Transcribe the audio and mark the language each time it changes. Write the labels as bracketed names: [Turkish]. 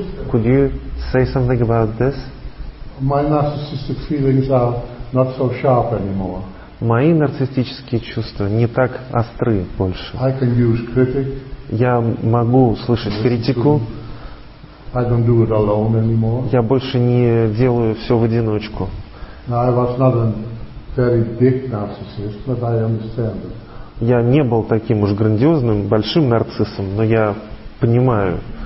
[English] Could you say something about this? My narcissistic feelings are not so sharp anymore. [Russian] Мои нарциссические чувства не так остры больше. [English] I can use critic. [Russian] Я могу слышать критику. [English] I don't do it alone anymore. [Russian] Я больше не делаю все в одиночку. [English] No, I was not very big narcissist, but I understand it. [Russian] Я не был таким уж грандиозным, большим нарциссом, но я понимаю.